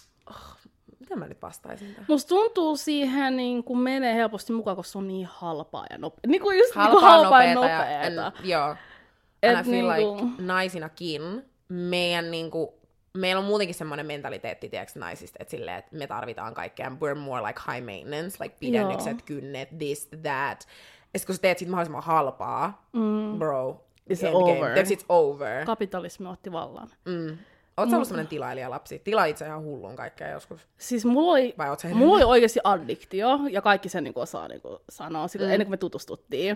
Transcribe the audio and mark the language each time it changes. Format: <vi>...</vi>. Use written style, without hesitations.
<fi>Oh, miten mä nyt vastaisin tähän? Musta tuntuu siihen, niin kun menee helposti mukaan, koska se on niin halpaa ja nopeaa. Niin kuin just halpaa niin kuin nopeeta. Joo.</fi> <en>And I feel niinku...</en> <fi>like naisinakin meidän niinku, meillä on muutenkin semmoinen mentaliteetti tiiäks, naisista, että silleen, että me tarvitaan kaikkea.</fi> <en>We're more like high maintenance, like</en> <fi>pidennykset, joo, kynnet,</fi> <en>this, that.</en> <fi>Ja sit kun sä teet sit mahdollisimman halpaa, bro,</fi> <en>it's over. It's over.</en> <fi>Kapitalismi otti vallan. Mm. Oletko sä ollut semmoinen tilailijalapsi? Tilailit sä ihan hulluun kaikkea joskus? Siis mulla oli, mulla oli oikeasti addiktio, ja kaikki sen niin kuin osaa niin kuin sanoa, sillä ennen kuin me tutustuttiin.</fi>